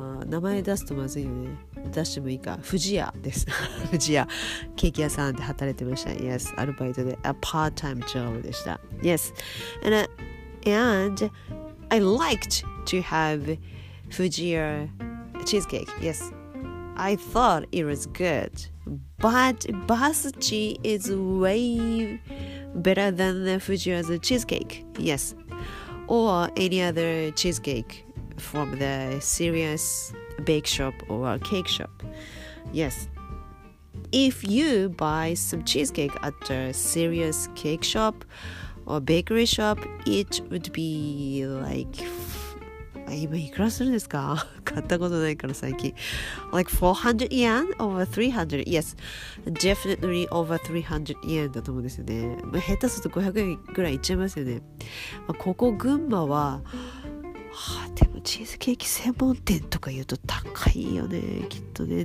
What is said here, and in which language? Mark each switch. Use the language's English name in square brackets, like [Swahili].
[Japanese] 名前出すとまずいよね。出してもいいか、富士屋です。富士屋ケーキ屋さんで働いてました。 [English] Yes, [Japanese] アルバイトで、 [English] a part time job [Japanese] でした。 [English] Yes, and I liked to have 富士屋 cheesecake. Yes, I thought it was good, but basuchi is way better than the 富士屋 cheesecake. Yes, or any other cheesecake from the seriousBake shop or a cake shop. Yes. If you buy some cheesecake at a serious cake shop or bakery shop, it would be like, [Japanese] 今いくらするんですか？買ったことないから最近。 [English] Like 400 yen over 300. Yes. Definitely over 300 yen [Japanese] だと思うんですよね。まあ、下手すると500円ぐらいいっちゃいますよね。まあ、ここ群馬は、はあ、でもチーズケーキ専門店とか言うと高いよね、きっとね。